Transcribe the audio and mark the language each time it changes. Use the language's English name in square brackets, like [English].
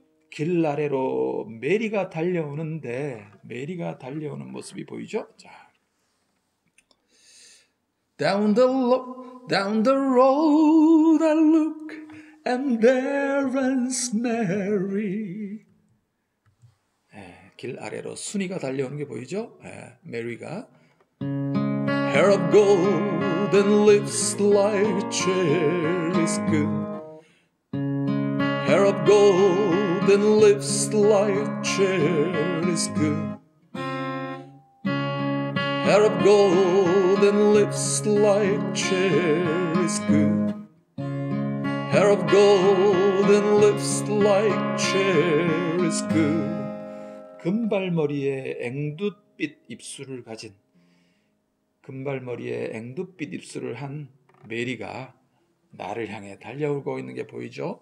[Korean] 길 아래로 메리가 달려오는데 메리가 달려오는 모습이 보이죠? 자. [English] Down the road I look and there runs Mary. [Korean] 네, 길 아래로 순이가 달려오는 게 보이죠? 네, 메리가 [English] Hair of gold and lips like cherries good. Hair of gold and lips like cherries good. Hair of gold and lips like cherries good. Hair of gold and lips like cherries good. [Korean] 금발머리에 앵두빛 입술을 가진 금발머리에 앵두빛 입술을 한 메리가 나를 향해 달려오고 있는 게 보이죠?